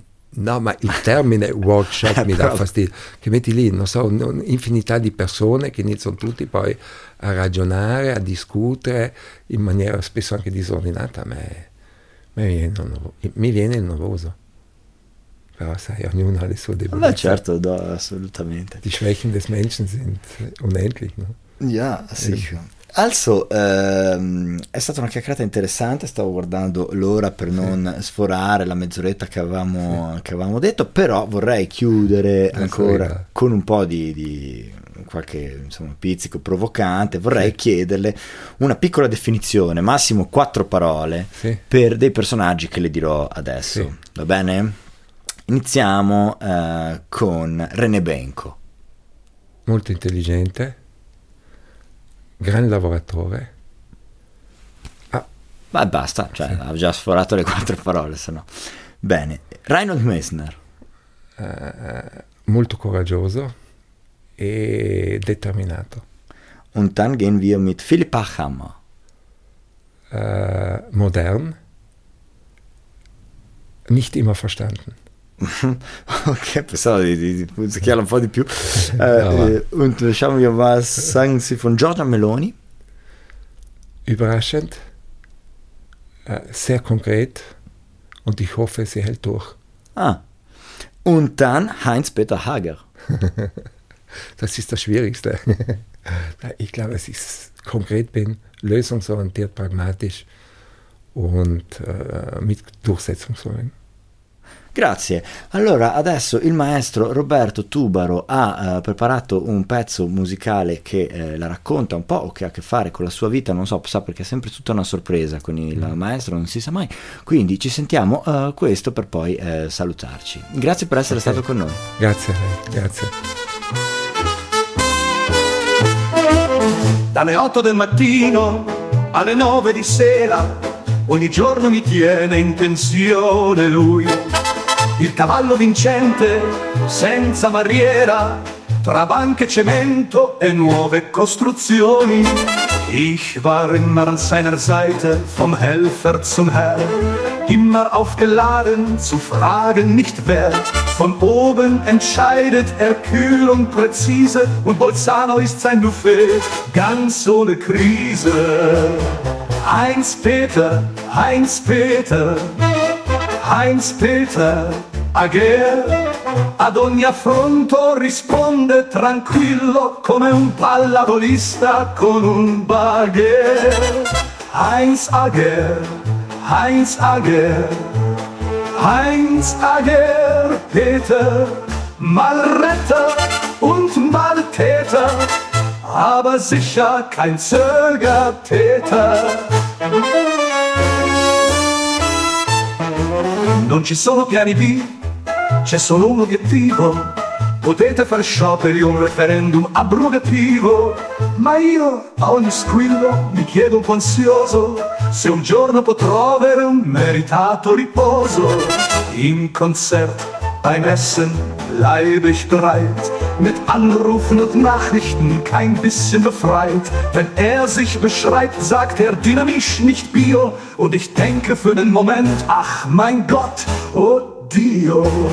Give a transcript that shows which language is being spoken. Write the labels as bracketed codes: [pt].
[it] No, ma il termine workshop mi dà fastidio, che metti lì, non so, un'infinità di persone che iniziano tutti poi a ragionare, a discutere in maniera spesso anche disordinata, mi viene il nervoso, però sai, ognuno ha le sue debolezze. Ma certo, no, assolutamente. [de] Die Schwächen des Menschen sind unendlich, no? Ja, sicher. [it] Also, è stata una chiacchierata interessante, stavo guardando l'ora per non sforare la mezz'oretta che avevamo detto, però vorrei chiudere ancora con un po' di qualche, insomma, pizzico provocante. Vorrei chiederle una piccola definizione, massimo 4 parole per dei personaggi che le dirò adesso, va bene? Iniziamo con René Benko. Molto intelligente. Gran lavoratore. Ma basta, cioè sì. Ha già sforato le 4 parole, se no. Bene, Reinhold Messner. Molto coraggioso e determinato. [de] Und dann gehen wir mit Philipp Hammer. Modern. nicht immer verstanden. [it] Ok, pensavo di puzzicchiarla un po' di più. No. Lasciamo io, [de] was sagen Sie von Giorgia Meloni? Überraschend, sehr konkret und ich hoffe, sie hält durch. Ah, und dann Heinz-Peter Hager. Das ist das Schwierigste. Ich glaube, dass ich konkret bin, lösungsorientiert, pragmatisch und mit Durchsetzungswillen. [it] Grazie. Allora, adesso il maestro Roberto Tubaro ha preparato un pezzo musicale che la racconta un po', o che ha a che fare con la sua vita, non so, sa, perché è sempre tutta una sorpresa con il maestro, non si sa mai. Quindi ci sentiamo questo per poi salutarci. Grazie per essere stato con noi. Grazie a lei, grazie. Dalle 8 del mattino alle 9 di sera, ogni giorno mi tiene in tensione lui. Il cavallo vincente, senza barriera, tra banche cemento e nuove costruzioni. [de] Ich war immer an seiner Seite, vom Helfer zum Herr, immer aufgeladen, zu fragen nicht wer. Von oben entscheidet er kühl und präzise, und Bolzano ist sein Buffet, ganz ohne Krise. [it] Heinz-Peter, Heinz-Peter, Heinz-Peter Hager, ad ogni affronto risponde tranquillo come un pallavolista con un bagher. [de] Heinz Hager, Heinz Hager, Heinz Hager, Peter, mal Retter und mal Täter, aber sicher kein Zögertäter. [it] Non ci sono piani B, c'è solo un obiettivo. Potete far scioperi o un referendum abrogativo, ma io a ogni squillo mi chiedo un po' ansioso se un giorno potrò avere un meritato riposo. [de] Im Konzert, beim Essen, bleibe ich bereit, mit Anrufen und Nachrichten kein bisschen befreit. Wenn er sich beschreibt, sagt er dynamisch, nicht bio, und ich denke für den Moment, ach mein Gott, [it] oh Dio.